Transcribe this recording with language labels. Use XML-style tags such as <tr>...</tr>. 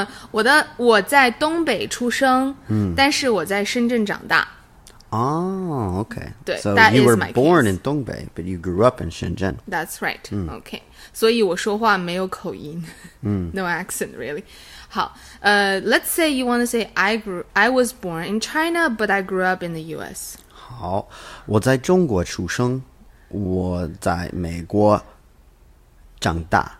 <zh>我的, 我在东北出生, 但是我在深圳长大。</zh> <en>Oh, okay.</en> <zh>对,</zh> <en>so you were born in Dongbei, but you grew up in Shenzhen. That's right. Okay.</en> <zh>所以我说话没有口音,</zh> <en>no accent really.</en> <zh>好,</zh> <en>let's say you want to say I was born in China, but I grew up in the US.</en> <zh>好, 我在中国出生, 我在美国长大。</zh>